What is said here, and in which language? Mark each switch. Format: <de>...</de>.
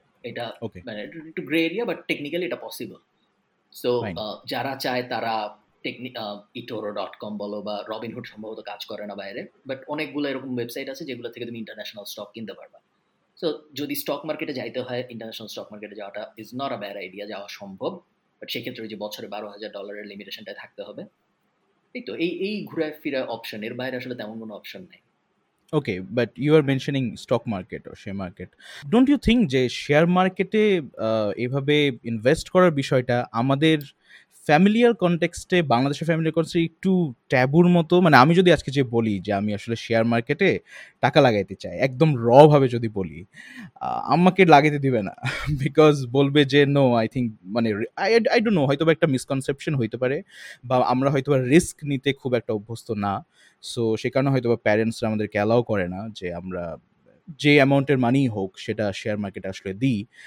<bn>এটা মানে একটু গ্রে এরিয়া, বাট টেকনিক্যালি এটা পসিবল। সো যারা চায় তারা ইটোরো.কম বলো বা রবিনহুড সম্ভবত কাজ করে না বাইরে, বাট অনেকগুলো এরকম ওয়েবসাইট আছে যেগুলো থেকে তুমি ইন্টারন্যাশনাল স্টক কিনতে পারবা। সো যদি স্টক মার্কেটে যাইতে হয়, ইন্টারন্যাশনাল স্টক মার্কেটে যাওয়াটা</bn> <en>is not a bad idea,</en> <bn>যাওয়া সম্ভব, বাট সেক্ষেত্রে যে বছরে $12,000 লিমিটেশনটা থাকতে হবে। এই তো এই এই ঘুরে ফিরা অপশন, এর বাইরে আসলে তেমন কোনো অপশন নেই।</bn> <en>Okay, but you are mentioning stock market or share market. Don't you think</en> <bn>যে শেয়ার মার্কেটে এভাবে ইনভেস্ট করার বিষয়টা আমাদের ফ্যামিলিয়ার কনটেক্সটে, বাংলাদেশের ফ্যামিলিয়ার কনটেক্সটে একটু ট্যাবুর মতো? মানে আমি যদি আজকে যে বলি যে আমি আসলে শেয়ার মার্কেটে টাকা লাগাইতে চাই, একদম রভাবে যদি বলি, আমাকে লাগাইতে দিবে না, বিকজ বলবে যে নো, আই থিঙ্ক মানে</bn> <en>I don't know,</en> <bn>হয়তো একটা মিসকনসেপশন হইতে পারে, বা আমরা হয়তো রিস্ক নিতে খুব একটা অভ্যস্ত না, সো সে কারণে হয়তো বা প্যারেন্টসরা আমাদেরকে অ্যালাউ করে না যে আমরা যে অ্যামাউন্টের মানি হোক সেটা শেয়ার মার্কেটে আসলে দিই।</bn>